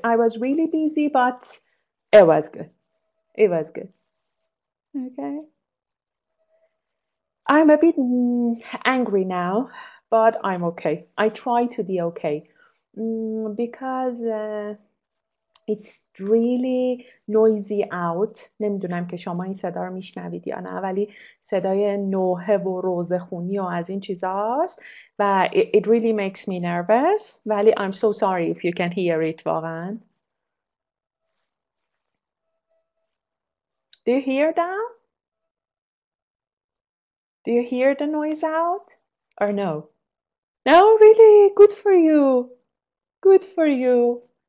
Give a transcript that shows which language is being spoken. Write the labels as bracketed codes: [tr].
[en] I was really busy, but it was good. It was good. Okay. I'm a bit angry now, but I'm okay. I try to be okay because it's really noisy out. [fa] نمیدونم که شما این صدا رو میشنوید یا نه، ولی صدای نوحه و روزخونی و از این چیزا است و [en] it really makes me nervous. [fa] ولی [en] I'm so sorry if you can hear it. [fa] واقعا. [en] Do you hear that? Do you hear the noise out or no? No, really? Good for you. Good for you.